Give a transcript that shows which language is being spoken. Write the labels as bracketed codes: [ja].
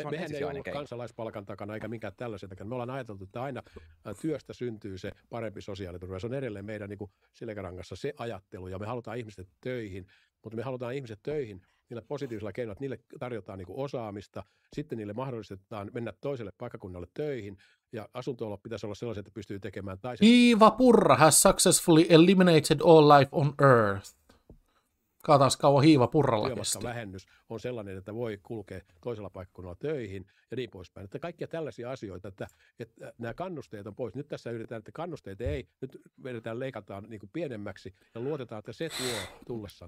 [fi] se on ensisijainen keino. Kansalaispalkan takana eikä minkään tällaisetkään. Me ollaan ajateltu, että aina työstä syntyy se parempi sosiaaliturva. Se on edelleen meidän niin kuin selkärangassa se ajattelu, ja me halutaan ihmiset töihin, mutta me halutaan ihmiset töihin niillä positiivisilla keinoilla, että niille tarjotaan niin kuin osaamista, sitten niille mahdollistetaan mennä toiselle paikkakunnalle töihin, ja asunto-olo pitäisi olla sellaisia, että pystyy tekemään taisen. [en] Iiva Purra has successfully eliminated all life on earth. [fi] Katsotaan kauan Hiiva Purralla kesti. Työmatkavähennys on sellainen, että voi kulkea toisella paikkakunnalla töihin ja niin poispäin. Että kaikkia tällaisia asioita, että nämä kannusteet on pois. Nyt tässä yritetään, että kannusteet ei, nyt vedetään leikataan niin kuin pienemmäksi ja luotetaan, että se tuo tullessaan.